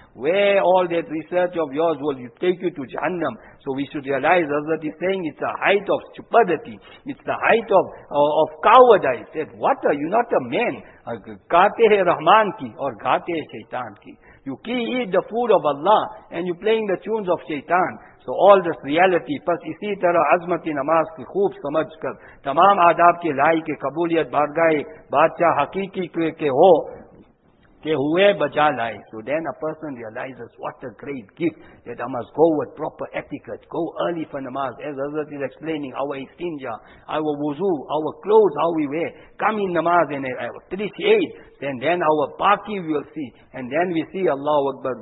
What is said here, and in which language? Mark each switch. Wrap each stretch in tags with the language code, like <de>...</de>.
<en>Where all that research of yours will take you to Jahannam? So we should realize, Hazrat is saying, it's a height of stupidity, it's the height of cowardice, that what are you, not a man,</en> <ur>gaate hai Rahman ki, or gaate hai Shaitan ki.</ur> <en>You eat the food of Allah, and you're playing the tunes of Shaitan. So all this reality,</en> <ur>پس اسی طرح عظمت نماز کی خوب سمجھ کر تمام آداب کے لائق قبولیت بارگاہ بادشاہ حقیقی کے ہو کہ ہوئے بجا لائے.</ur> <en>So then a person realizes what a great gift that I must go with proper etiquette, go early for namaz, as Hazrat is explaining, our istinja, our wuzu, our clothes, how we wear, come in namaz and appreciate, then our paaki we will see, and then we see Allah Akbar.</en>